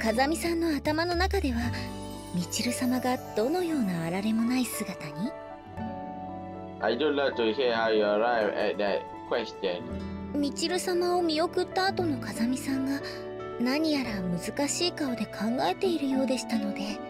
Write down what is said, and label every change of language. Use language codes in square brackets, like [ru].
[ja] それで、今、風見さんの頭の中では みちる様がどのようなあられもない姿に? [en] I do love to hear how you arrive at that question. [ja] みちる様を見送った後の風見さんが 何やら難しい顔で考えているようでしたので。